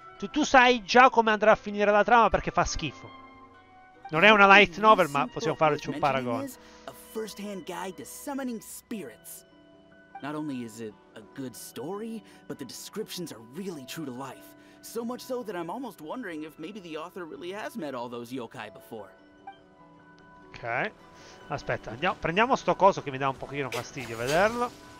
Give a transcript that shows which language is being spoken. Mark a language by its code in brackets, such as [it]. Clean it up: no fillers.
[it] Tu sai già come andrà a finire la trama perché fa schifo. Non è una light novel, ma possiamo farci un paragone. [en] A first-hand guide to summoning spirits. Not only is it a good story, but the descriptions are really true to life. So much so that I'm almost wondering if maybe the author really has met all those yokai before. Ok. [it] Aspetta, andiamo, prendiamo sto coso che mi dà un pochino fastidio vederlo.